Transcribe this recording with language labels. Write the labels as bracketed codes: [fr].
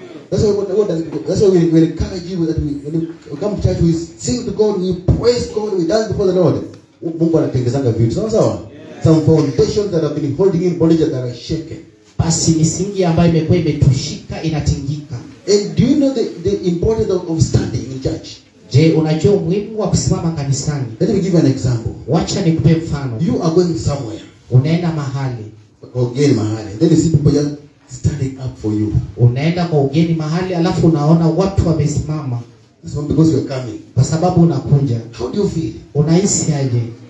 [en] That's why we encourage you that we come to church, we sing to God, we praise God, we dance before the Lord. [sw] Mungu anatengezanga vitu. Sawa sawa. [en] Some foundations that have been holding in bondage that are shaken. [sw] Basi misingi ambayo imekuwa imetushika inatingika. [en] And do you know the importance of standing in church? [sw] Je, unajua umuhimu wa kusimama kanisani? [en] Let me give you an example. [sw] Wacha nikupe mfano. [en] You are going somewhere. [sw] Unaenda mahali. Again mahali. [en] Then you see people just standing up for you. [sw] Unaenda kwa ugeni mahali alafu unaona watu wamesimama. [en] So because you are coming. [sw] Kwa sababu unakuja. [en] How do you feel? [sw] Unahisi aje?